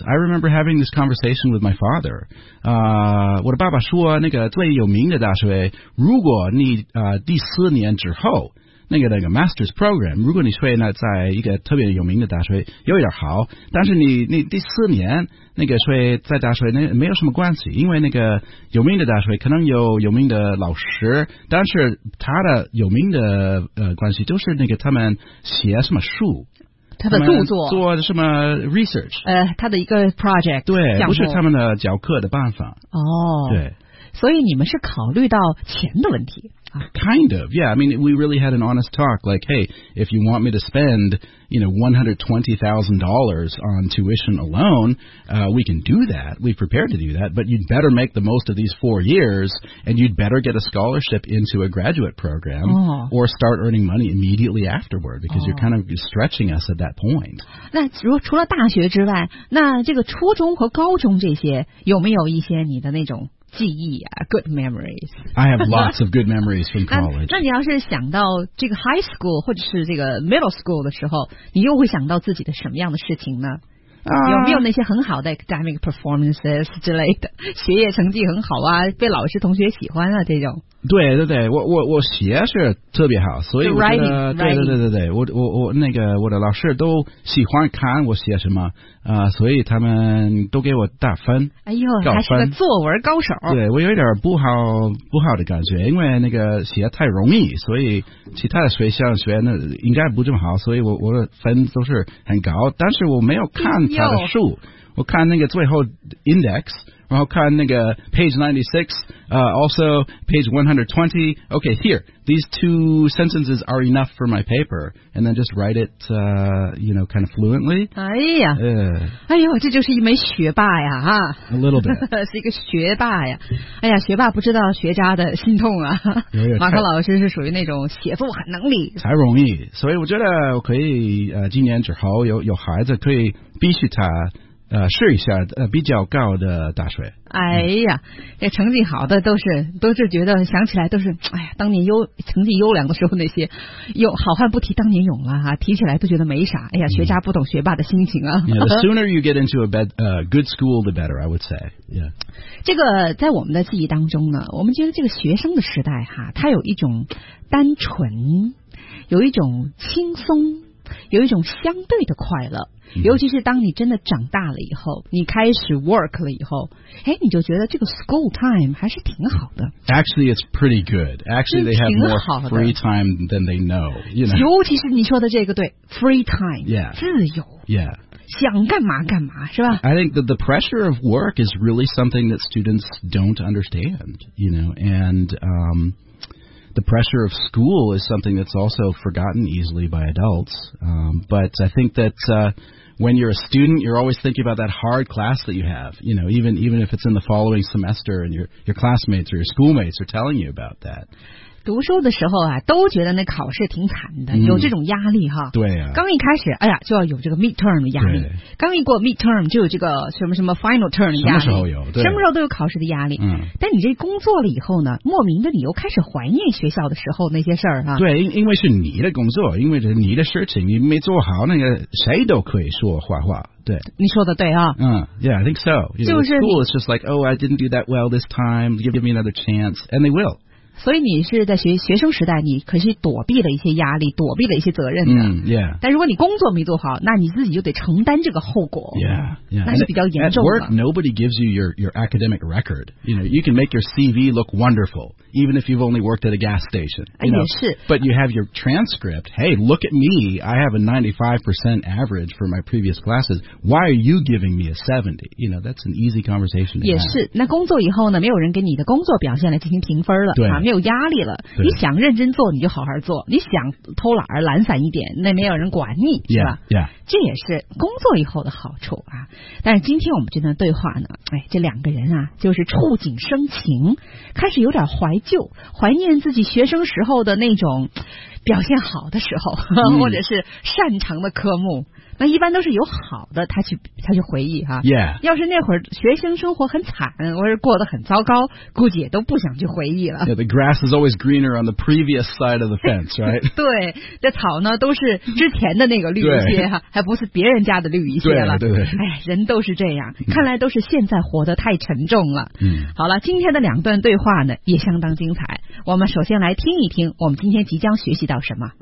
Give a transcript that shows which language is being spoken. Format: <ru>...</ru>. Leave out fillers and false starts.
<en>I remember having this conversation with my father.</en> <zh>我的爸爸说，那个最有名的大学，如果你第四年之后，那个</zh> <en>master's program，</en> <zh>如果你学那在一个特别有名的大学，有点好，但是你第四年那个学在大学那没有什么关系，因为那个有名的大学可能有有名的老师，但是他的有名的关系就是那个他们写什么书。他的著作做什么 research？他的一个 project，对，不是他们的教课的办法。哦，对，所以你们是考虑到钱的问题。</zh> <en>Kind of, yeah. I mean, we really had an honest talk. Like, hey, if you want me to spend, you know, $120,000 on tuition alone, we can do that. We're prepared to do that. But you'd better make the most of these 4 years, and you'd better get a scholarship into a graduate program, or start earning money immediately afterward, because you're kind of stretching us at that point.</en> <zh>那如除了大学之外，那这个初中和高中这些，有没有一些你的那种？记忆啊 ，</zh> <en>good memories. I have lots of good memories from college.</en> <zh>那你要是想到这个</zh> <en>high school</en> <zh>或者是这个</zh> <en>middle school</en> <zh>的时候，你又会想到自己的什么样的事情呢？有没有那些很好的</zh> <en>academic performances</en> <zh>之类的，学业成绩很好啊，被老师同学喜欢啊这种？对对对，我写是特别好，所以我觉得</zh> <en>writing,</en> <zh>对对对对，我那个我的老师都喜欢看我写什么所以他们都给我打分。哎呦，还是个作文高手。对，我有点不好的感觉，因为那个写太容易，所以其他的学校学那应该不这么好，所以我的分都是很高，但是我没有看他的书，我看那个最后 index。然后看那个</zh> <en>page 96 also page 120 okay here these two sentences are enough for my paper and then just write it you know kind of fluently</en> <zh>哎呀、哎呦这就是一枚学霸呀哈</zh> <en>a little bit</en> <zh>是一个学霸呀哎呀学霸不知道学渣的心痛啊马克老师是属于那种写作很能力才容易所以我觉得我可以今年之后有孩子可以必须他试一下比较高的大学。哎呀，这成绩好的都是觉得想起来都是，哎呀，当年成绩优良的时候那些，哟，好汉不提当年勇了哈，提起来都觉得没啥。哎呀，学渣不懂学霸的心情啊。</zh> <en>Yeah, the sooner you get into good school, the better, I would say. Yeah.</en> <zh>这个在我们的记忆当中呢，我们觉得这个学生的时代哈，它有一种单纯，有一种轻松。有一种相对的快乐，尤其是当你真的长大了以后，你开始 work 了以后，哎，你就觉得这个</zh> <en>school time</en> <zh>还是挺好的。</zh> <en>Actually, it's pretty good. Actually, they have more free time than they know. You know.</en> <zh>尤其是你说的这个对</zh> <en>free time, yeah,</en> <zh>自由</zh> <en>yeah.</en> <zh>想干嘛干嘛是吧</zh> <en>I think that the pressure of work is really something that students don't understand, you know, and、the pressure of school is something that's also forgotten easily by adults.、but I think that、when you're a student, you're always thinking about that hard class that you have, you know, even if it's in the following semester and your classmates or your schoolmates are telling you about that.</en> <zh>读书的时候啊，都觉得那考试挺惨的，有这种压力哈。对啊。刚一开始，哎呀，就要有这个 midterm 的压力。刚一过 midterm， 就有这个什么什么 final term 的压力。什么时候有？对。什么时候都有考试的压力。嗯。但你这工作了以后呢，莫名的你又开始怀念学校的时候那些事儿啊。对，因为是你的工作，因为是你的事情，你没做好，那个谁都可以说坏话。对，你说的对啊。</zh> <en>嗯、yeah, I think so. You know, school is just like, oh, I didn't do that well this time. Give me another chance, and they will.</en> <zh>所以你是在学生时代，你可是躲避了一些压力，躲避了一些责任的。</zh> <en>嗯、yeah.</en> <zh>但如果你工作没做好，那你自己就得承担这个后果。</zh> <en>Yeah, yeah.</en> <zh>那是比较严重的。</zh> <en>At work, nobody gives you your academic record. You know, you can make your CV look wonderful, even if you've only worked at a gas station. You know,</en> <zh>也是。</zh> <en>But you have your transcript. Hey, look at me. I have a 95% average for my previous classes. Why are you giving me a 70? You know, that's an easy conversation to have.</en> <zh>也是。那工作以后呢，没有人给你的工作表现来进行评分了。对。没有压力了，你想认真做你就好好做，你想偷懒懒散一点，那没有人管你，是吧？</zh> <en>Yeah, yeah.</en> <zh>这也是工作以后的好处啊。但是今天我们这段对话呢，哎，这两个人啊，就是触景生情，开始有点怀旧，怀念自己学生时候的那种表现好的时候，或者是擅长的科目。那一般都是有好的，他去回忆哈、啊。</zh> <en>Yeah.</en> <zh>要是那会儿学生生活很惨，或者过得很糟糕，估计也都不想去回忆了。</zh> <en>Yeah, the grass is always greener on the previous side of the fence, right?</en> <zh>对，这草呢都是之前的那个绿一些哈、啊，还不是别人家的绿一些了。对对对。哎，人都是这样，看来都是现在活得太沉重了。嗯。好了，今天的两段对话呢也相当精彩。我们首先来听一听，我们今天即将学习到什么。</zh>